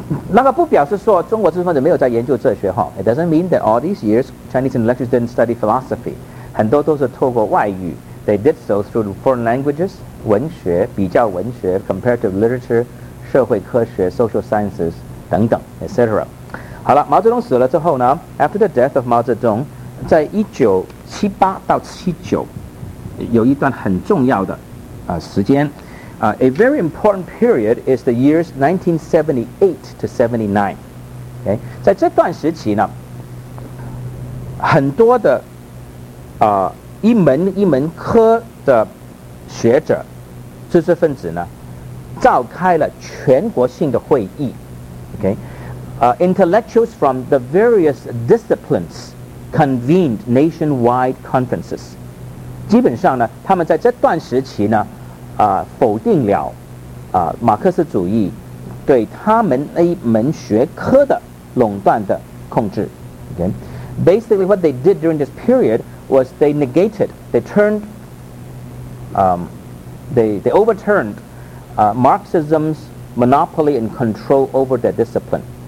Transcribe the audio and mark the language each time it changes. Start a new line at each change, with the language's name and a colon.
Chinese: 那个不表示说中国知识分子没有在研究哲学哈。
English: It doesn't mean that all these years Chinese intellectuals didn't study philosophy.
Chinese: 很多都是透过外语
English: ，they did so through foreign languages,
Chinese: 文学、比较文学
English: ，comparative literature,
Chinese: 社会科学
English: ，social sciences
Chinese: 等等
English: ，etc.
Chinese: 好了，毛泽东死了之后呢 ？
English: After the death of Mao Zedong,
Chinese: 在1978-79有一段很重要的时间。
English: A very important period is the years 1978 to 79.
Chinese: Okay? 在这段时期呢，很多的一门一门科的学者知识分子呢召开了全国性的会议。
English: Okay? Intellectuals from the various disciplines convened nationwide conferences.
Chinese: 基本上呢，他们在这段时期呢否定了马克思主义对他们那一门学科的垄断的控制。
English: Okay? Basically what they did during this period was they negated, they turned, they overturned Marxism's monopoly and control over their discipline.